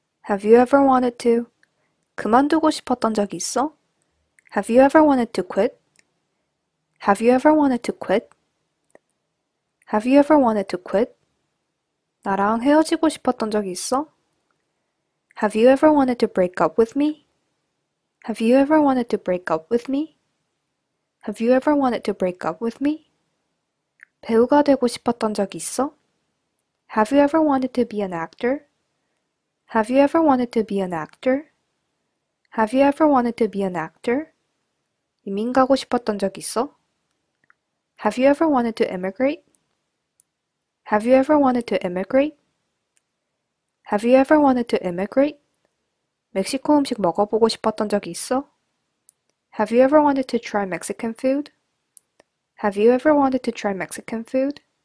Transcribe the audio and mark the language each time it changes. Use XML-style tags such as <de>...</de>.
<en>Have you ever wanted to?</en> <ko>그만두고 싶었던 적 있어?</ko> <en>Have you ever wanted to quit? Have you ever wanted to quit? Have you ever wanted to quit?</en> <ko>나랑 헤어지고 싶었던 적 있어?</ko> <en>Have you ever wanted to break up with me? Have you ever wanted to break up with me? Have you ever wanted to break up with me?</en> <ko>배우가 되고 싶었던 적 있어?</ko> <en>Have you ever wanted to be an actor? Have you ever wanted to be an actor? Have you ever wanted to be an actor?</en> <ko>이민 가고 싶었던 적 있어?</ko> <en>Have you ever wanted to immigrate? Have you ever wanted to immigrate? Have you ever wanted to immigrate?</en> <ko>멕시코 음식 먹어보고 싶었던 적 있어?</ko> <en>Have you ever wanted to try Mexican food? Have you ever wanted to try Mexican food?</en>